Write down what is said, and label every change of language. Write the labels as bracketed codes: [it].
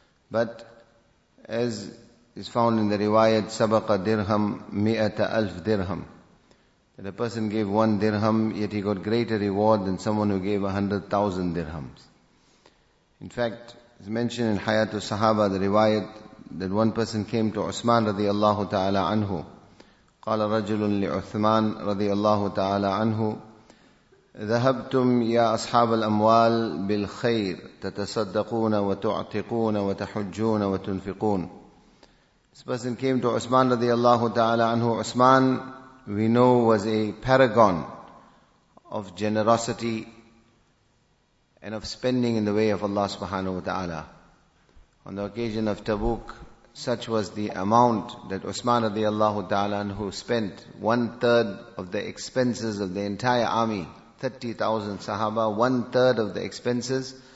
[en] But as is found in the riwayat, [ar] sabaqa dirham mi'ata alf dirham, [en] that a person gave 1 dirham, yet he got greater reward than someone who gave 100,000 dirhams. In fact, as mentioned in Hayatul Sahaba, the riwayat that one person came to Uthman radiallahu ta'ala anhu. [ar] قال رجل لعثمان رضي الله تعالى عنه ذهبتم يا أصحاب الأموال بالخير تتصدقون وتعتقون وتحجون وتنفقون. [en] This person came to Uthman [ar] رضي الله تعالى عنه. [en] Uthman, we know, was a paragon of generosity and of spending in the way of Allah subhanahu wa ta'ala. On the occasion of Tabuk, such was the amount that Uthman radiallahu ta'ala anhu spent, 1/3 of the expenses of the entire army, 30,000 sahaba, 1/3 of the expenses.